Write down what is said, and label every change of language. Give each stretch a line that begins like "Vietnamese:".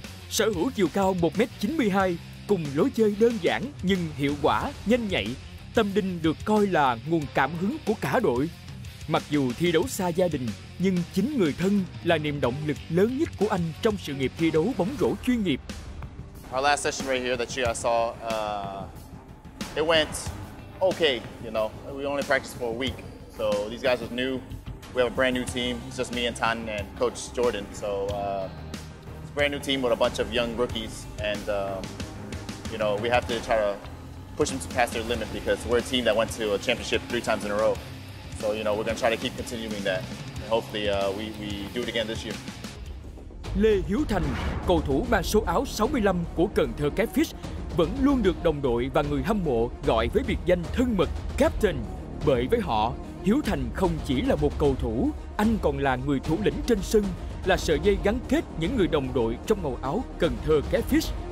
Vietnamese: Sở hữu chiều cao 1m92 cùng lối chơi đơn giản nhưng hiệu quả, nhanh nhạy, Tâm Đinh được coi là nguồn cảm hứng của cả đội. Mặc dù thi đấu xa gia đình, nhưng chính người thân là niềm động lực lớn nhất của anh trong sự nghiệp thi đấu bóng rổ chuyên nghiệp.
English: Our last session right here that you guys saw, it went okay, you know. We only practiced for a week, so these guys are new. We have a brand new team. It's just me and Tan and Coach Jordan. So it's a brand new team with a bunch of young rookies, and you know, we have to try to push them to pass their limit because we're a team that went to a championship 3 times in a row. So you know, we're going to try to keep continuing that. And hopefully, we do it again this year.
Vietnamese: Lê Hiếu Thành, cầu thủ mang số áo 65 của Cần Thơ Catfish, vẫn luôn được đồng đội và người hâm mộ gọi với biệt danh thân mật Captain. Bởi với họ, Hiếu Thành không chỉ là một cầu thủ, anh còn là người thủ lĩnh trên sân, là sợi dây gắn kết những người đồng đội trong màu áo Cần Thơ Catfish.